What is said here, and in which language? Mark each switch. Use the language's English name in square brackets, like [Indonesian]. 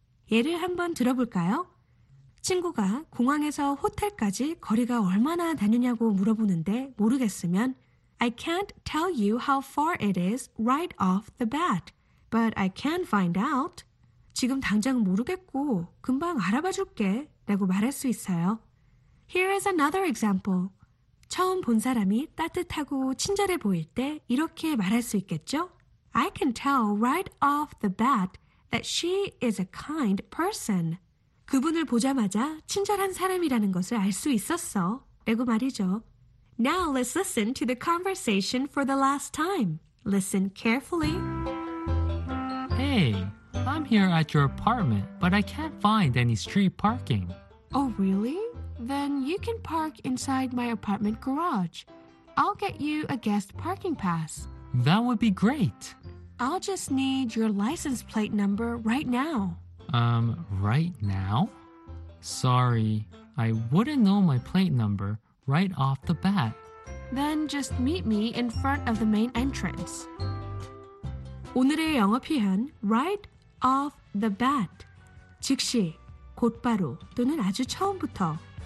[Korean] 예를 한번 들어볼까요? 친구가 공항에서 호텔까지 거리가 얼마나 다니냐고 물어보는데 모르겠으면 [English] I can't tell you how far it is right off the bat, but I can find out. [Korean] 지금 당장 모르겠고 금방 알아봐 줄게 라고 말할 수 있어요. [English] Here is another example. [Korean] 처음 본 사람이 따뜻하고 친절해 보일 때 이렇게 말할 수 있겠죠? [English] I can tell right off the bat that she is a kind person. [Korean] 그분을 보자마자 친절한 사람이라는 것을 알 수 있었어 라고 말이죠. [English] Now let's listen to the conversation for the last time. Listen carefully. Hey, I'm here at your apartment, but I can't find any street parking. Oh, really? Then you can park inside my apartment garage. I'll get you a guest parking pass. That would be great. I'll just need your license plate number right now. Right now? Sorry, I wouldn't know my plate number right off the bat. Then just meet me in front of the main entrance. [Korean] 오늘의 영어 표현, [English] right off the bat. [Korean] 즉시, 곧바로 또는 아주 처음부터.